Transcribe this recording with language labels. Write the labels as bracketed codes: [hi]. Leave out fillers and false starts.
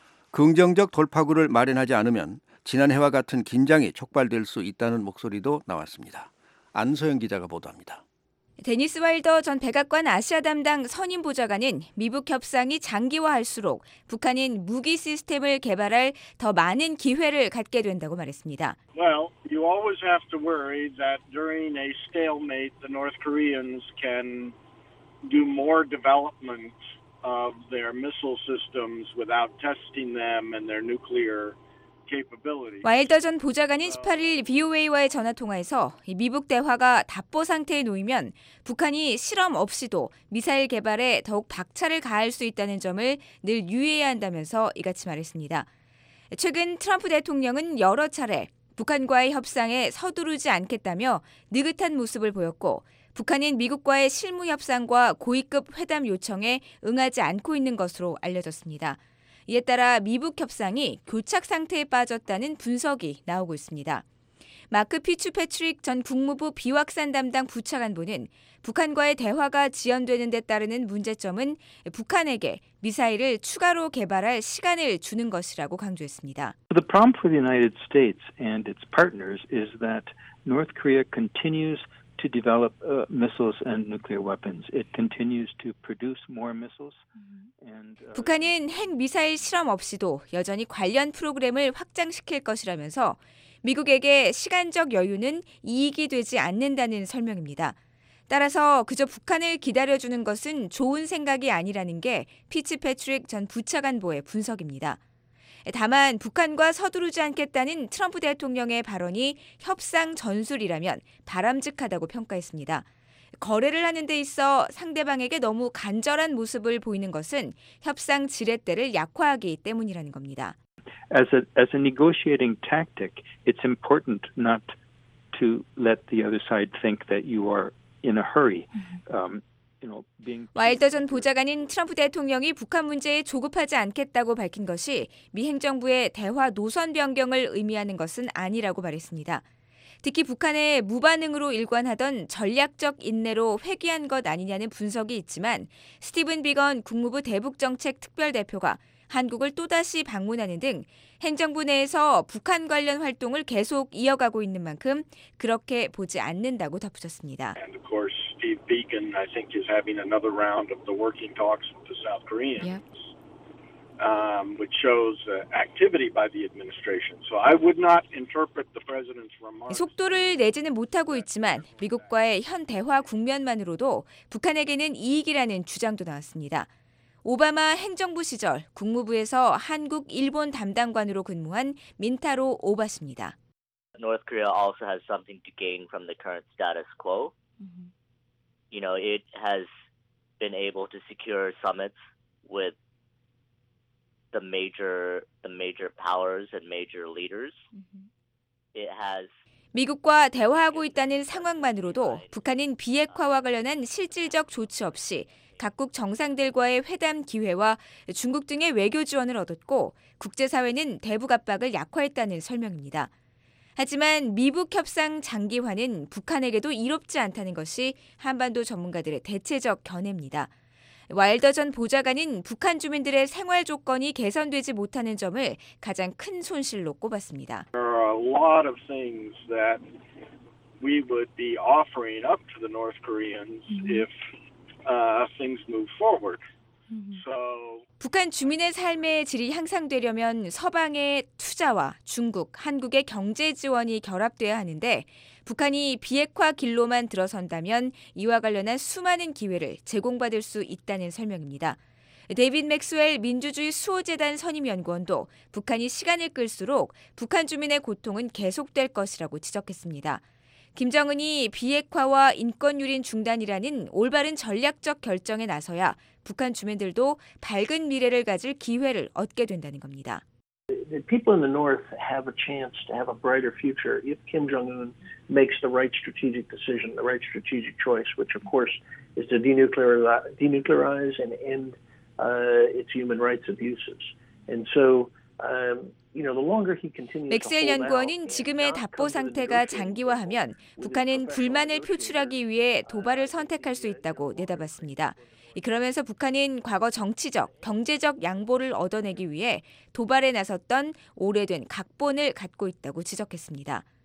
[ko] 긍정적 돌파구를 마련하지 않으면 지난해와 같은 긴장이 촉발될 수 있다는 목소리도 나왔습니다. 안소영 기자가 보도합니다. 데니스 와일더 전 백악관 아시아 담당 선임 보좌관은 미북 협상이 장기화할수록 북한은 무기 시스템을 개발할 더 많은 기회를 갖게 된다고 말했습니다. [en] Well, you always have to worry that during a stalemate, the North Koreans can do more development of their missile systems without testing them and their nuclear. [ko] 와일더 전 보좌관인 18일 VOA와의 전화통화에서 미북 대화가 답보 상태에 놓이면 북한이 실험 없이도 미사일 개발에 더욱 박차를 가할 수 있다는 점을 늘 유의해야 한다면서 이같이 말했습니다. 최근 트럼프 대통령은 여러 차례 북한과의 협상에 서두르지 않겠다며 느긋한 모습을 보였고 북한은 미국과의 실무 협상과 고위급 회담 요청에 응하지 않고 있는 것으로 알려졌습니다. 이에 따라 미북 협상이 교착 상태에 빠졌다는 분석이 나오고 있습니다. 마크 피츠 패트릭 전 국무부 비확산 담당 부차관보는 북한과의 대화가 지연되는 데 따르는 문제점은 북한에게 미사일을 추가로 개발할 시간을 주는 것이라고 강조했습니다. [en] The problem for the United States and its partners is that North Korea continues to develop missiles and nuclear weapons. It continues to produce more missiles. [ko] 북한은 핵미사일 실험 없이도 여전히 관련 프로그램을 확장시킬 것이라면서 미국에게 시간적 여유는 이익이 되지 않는다는 설명입니다. 따라서 그저 북한을 기다려주는 것은 좋은 생각이 아니라는 게 피츠패트릭 전 부차관보의 분석입니다. 다만 북한과 서두르지 않겠다는 트럼프 대통령의 발언이 협상 전술이라면 바람직하다고 평가했습니다. 거래를 하는 데 있어 상대방에게 너무 간절한 모습을 보이는 것은 협상 지렛대를 약화하기 때문이라는 겁니다. [en] As a negotiating tactic, it's important not to let the other side think that you are in a hurry. [ko] 와일더 전 보좌관인 트럼프 대통령이 북한 문제에 조급하지 않겠다고 밝힌 것이 미 행정부의 대화 노선 변경을 의미하는 것은 아니라고 말했습니다. 특히 북한의 무반응으로 일관하던 전략적 인내로 회귀한 것 아니냐는 분석이 있지만 스티븐 비건 국무부 대북정책특별대표가 한국을 또다시 방문하는 등 행정부 내에서 북한 관련 활동을 계속 이어가고 있는 만큼 그렇게 보지 않는다고 덧붙였습니다. [en] And of course, Steve Beacon, I think, is having another round of the working talks with the South Koreans. Yep. Which shows activity by the administration. So I would not interpret the president's remarks. [ko] 속도를 내지는 못하고 있지만 미국과의 현 대화 국면만으로도 북한에게는 이익이라는 주장도 나왔습니다. 오바마 행정부 시절 국무부에서 한국 일본 담당관으로 근무한 민타로 오바 씨입니다. [en] North Korea also has something to gain from the current status quo. You know, it has been able to secure summits with the major powers and major leaders. It has [ko] 미국과 대화하고 있다는 상황만으로도 북한은 비핵화와 관련한 실질적 조치 없이 각국 정상들과의 회담 기회와 중국 등의 외교 지원을 얻었고 국제사회는 대북 압박을 약화했다는 설명입니다. 하지만 미북 협상 장기화는 북한에게도 이롭지 않다는 것이 한반도 전문가들의 대체적 견해입니다. 와일더 전 보좌관은 북한 주민들의 생활 조건이 개선되지 못하는 점을 가장 큰 손실로 꼽았습니다. [en] There are a lot of things that we would be offering up to the North Koreans if things move forward. So [ko] 북한 주민의 삶의 질이 향상되려면 서방의 투자와 중국, 한국의 경제 지원이 결합돼야 하는데 북한이 비핵화 길로만 들어선다면 이와 관련한 수많은 기회를 제공받을 수 있다는 설명입니다. 데이빗 맥스웰 민주주의 수호재단 선임연구원도 북한이 시간을 끌수록 북한 주민의 고통은 계속될 것이라고 지적했습니다. 김정은이 비핵화와 인권유린 중단이라는 올바른 전략적 결정에 나서야 북한 주민들도 밝은 미래를 가질 기회를 얻게 된다는 겁니다. [en] The people in the north have a chance to have a brighter future if Kim Jong-un makes the right strategic decision, the right strategic choice, which of course is to denuclearize and end its human rights abuses. And so, you know, the longer he continues. [ko] 맥스웰 연구원은 지금의 답보 상태가 장기화하면 북한은 불만을 표출하기 위해 도발을 선택할 수 있다고 내다봤습니다. 그러면서 북한은 과거 정치적, 경제적 양보를 얻어내기 위해 도발에 나섰던 오래된 각본을 갖고 있다고 지적했습니다.